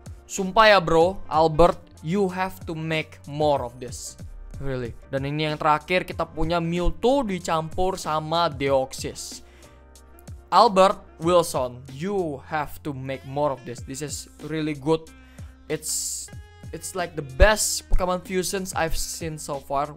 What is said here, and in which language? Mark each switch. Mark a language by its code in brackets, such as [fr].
[id] Sumpah ya bro, [en] Albert, you have to make more of this. Really. [id] Dan ini yang terakhir, kita punya Mewtwo dicampur sama Deoxys. [en] Albert Wilson, you have to make more of this. This is really good. It's like the best Pokemon fusions I've seen so far.